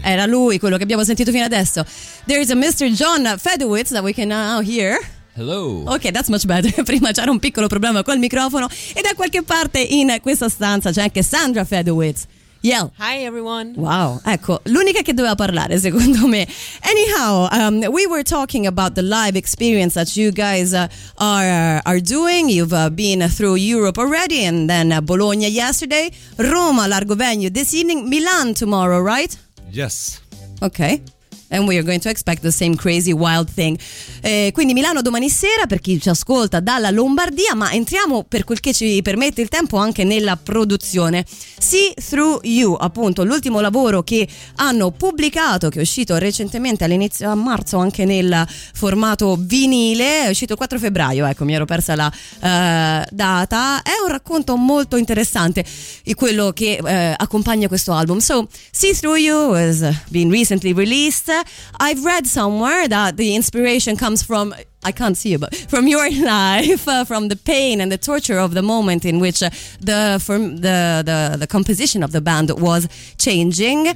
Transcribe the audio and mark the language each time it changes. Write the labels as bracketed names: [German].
[Italian] Era lui, quello che abbiamo sentito fino adesso. [English] There is a Mr. John Fedowitz that we can now hear. Hello. Ok, that's much better. [Italian] Prima c'era un piccolo problema col microfono. E da qualche parte in questa stanza c'è anche Sandra Fedowitz. [English] Yell. Hi everyone. [Italian] Wow, ecco, l'unica che doveva parlare secondo me. [English] Anyhow, we were talking about the live experience that you guys are doing. You've been through Europe already, and then Bologna yesterday, Roma, Largo Venue this evening, Milan tomorrow, right? Yes. Okay. And we are going to expect the same crazy wild thing. [Italian] Quindi Milano domani sera, per chi ci ascolta dalla Lombardia, ma entriamo, per quel che ci permette il tempo, anche nella produzione. See Through You, appunto, l'ultimo lavoro che hanno pubblicato, che è uscito recentemente all'inizio a marzo anche nel formato vinile, è uscito il 4 febbraio, ecco, mi ero persa la data. È un racconto molto interessante quello che accompagna questo album. [English] So, See Through You has been recently released. I've read somewhere that the inspiration comes from, I can't see you, but from your life, from the pain and the torture of the moment in which the composition of the band was changing.